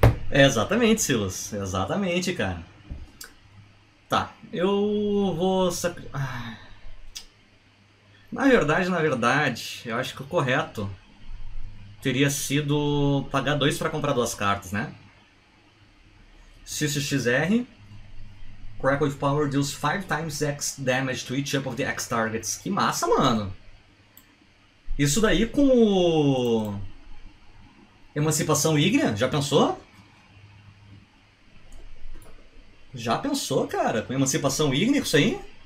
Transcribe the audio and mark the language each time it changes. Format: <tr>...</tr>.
<pt>É exatamente, Silas. É exatamente, cara. Tá, eu vou. Na verdade, eu acho que o correto teria sido pagar dois para comprar duas cartas, né? XXR.</pt> <en>Crack with Power deals 5 times X damage to each up of the X targets.</en> <pt>Que massa, mano! Isso daí com o Emancipação Ígnea? Já pensou? Já pensou, cara? Com Emancipação Ígnea, isso aí?</pt>